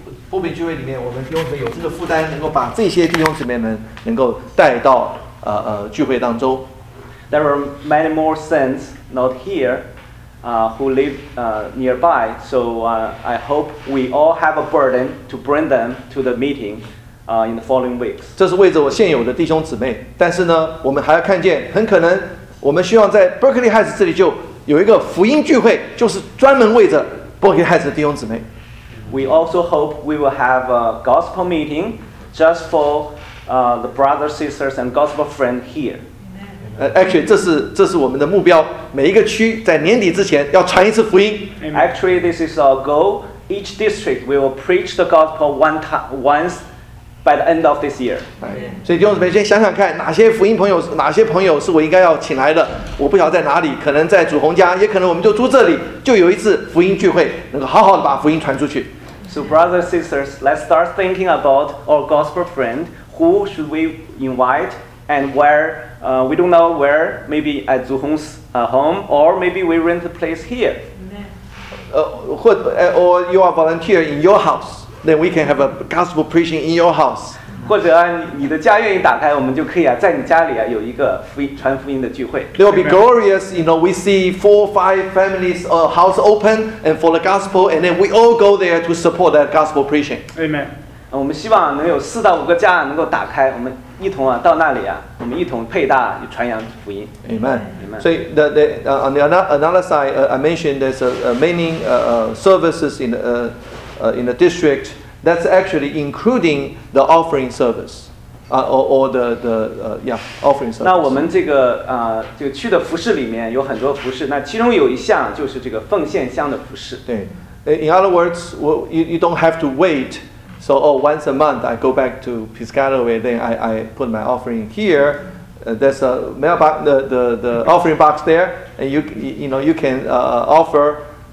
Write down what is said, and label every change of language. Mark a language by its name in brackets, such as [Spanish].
[Chinese] 波别聚会里面，我们弟兄姊妹有这个负担，能够把这些弟兄姊妹们能够带到聚会当中。 [English] There are many more saints not here, who live nearby. So I hope we all have a burden to bring them to the meeting, in the following weeks. [Chinese] 这是为着我现有的弟兄姊妹，但是呢，我们还要看见，很可能我们希望在 Berkeley Heights 这里就有一个福音聚会，就是专门为着 Berkeley Heights 的弟兄姊妹。 [English] We also hope we will have a gospel meeting just for the brothers, sisters, and gospel friend here. Actually, [Chinese] 这是我们的目标。每一个区在年底之前要传一次福音。 [English] Actually, this is our goal. Each district will preach the gospel once by the end of this year. [Chinese] 所以弟兄姊妹，先想想看，哪些福音朋友，哪些朋友是我应该要请来的？我不晓得在哪里，可能在主宏家，也可能我们就住这里，就有一次福音聚会，能够好好的把福音传出去。 [English] So brothers, sisters, let's start thinking about our gospel friend. Who should we invite? And where? We don't know where. Maybe at Zhu Hong's home, or maybe we rent a place here. Or you are volunteer in your house. Then we can have a gospel preaching in your house. [Chinese] 或者你的家愿意打开，我们就可以在你家里有一个传福音的聚会。 [English] It will be glorious, you know. We see 4 or 5 families or house open and for the gospel, and then we all go there to support that gospel preaching. Amen. [Chinese] 我们希望能有4到5个家能够打开，我们一同到那里我们一同配搭传扬福音。 [English] Amen. So on the another side, I mentioned there's a many services in the district. That's actually including the offering service, offering service. [Chinese] 那我们这个这个区的服事里面有很多服事，那其中有一项就是这个奉献箱的服事。对 [English] ，In other words, you don't have to wait. So, once a month, I go back to Piscataway, then I put my offering here. There's a mail box, the offering box there, and you can offer.